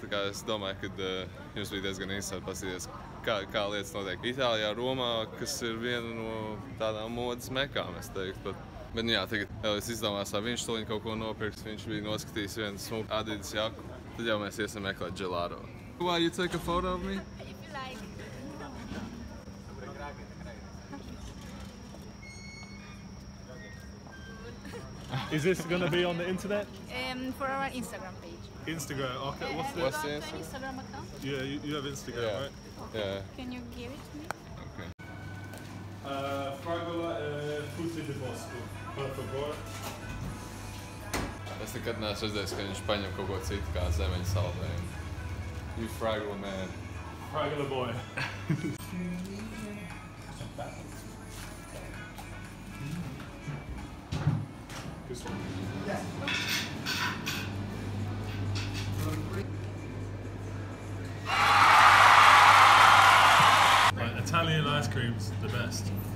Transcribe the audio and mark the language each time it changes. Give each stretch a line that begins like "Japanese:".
Latvian: Tā kā es domāju, ka jums bija diezgan interesanti pasīties, kā lietas notiek Itālijā, Romā, kas ir viena no tādām modas mekām, es teiktu. Bet jā, tagad Elis izdomās, vai viņš toliņ kaut ko nopirks. Viņš bija noskatījis vienu smuku Adidas jaku. Tad jau mēs iesim meklēt gelāro.
English: Why you take a photo of me? Is this gonna be on the internet? For our Instagram page. Instagram, okay. What's the Instagram? Instagram account? Yeah, you have Instagram, yeah. Right? Okay. Yeah. Can you give it to me? Okay.
Italian: Fragola frutti di bosco, per favore.
Latvian: Es nekad neesmu redzējis, ka viņš paņem kaut ko citu kā zemeņu saldējumu.
English: You fragola man. Fragola boy. Like Italian ice cream's the best.